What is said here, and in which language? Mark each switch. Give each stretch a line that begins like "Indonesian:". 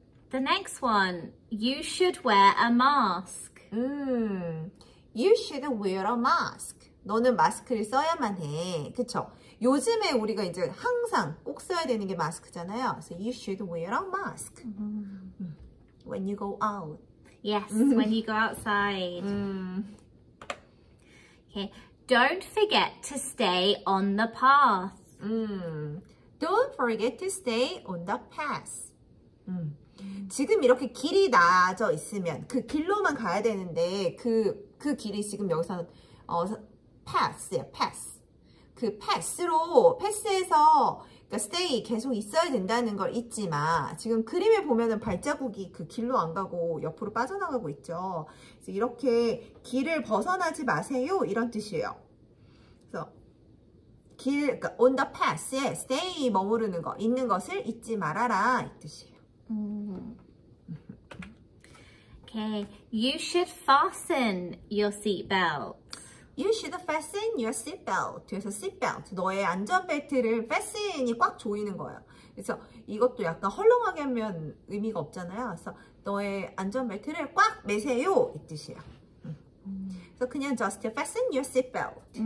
English: The next one, you should wear a mask. You should wear a mask.
Korean: 너는 마스크를 써야만 해. 그쵸? 요즘에 우리가 이제 항상 꼭 써야 되는 게 마스크잖아요.
English: So you should wear a mask. When you go out. Yes, when you go outside. Okay. Don't forget to stay on the path. Don't forget to stay on the path.
Korean: 지금 이렇게 길이 나져 있으면 그 길로만 가야 되는데 그 길이 지금 여기서는 path예요. path. 그 path로 패스해서 그러니까 stay 계속 있어야 된다는 걸 잊지 마. 지금 그림에 보면은 발자국이 그 길로 안 가고 옆으로 빠져나가고 있죠. 그래서 이렇게 길을 벗어나지 마세요. 이런 뜻이에요. 그래서 길, 그러니까
English: on the path
Korean: 에 stay 머무르는 거, 있는 것을 잊지 말아라. 이 뜻이에요.
English: Okay, you should fasten your seatbelt. You should fasten your seatbelt.
Korean: 뒤에서 seatbelt, 너의 안전벨트를 fasten이 꽉 조이는 거예요. 그래서 이것도 약간 헐렁하게 하면 의미가 없잖아요. 그래서 너의 안전벨트를 꽉 매세요. 이 뜻이에요. 그래서 그냥
English: just fasten your seatbelt.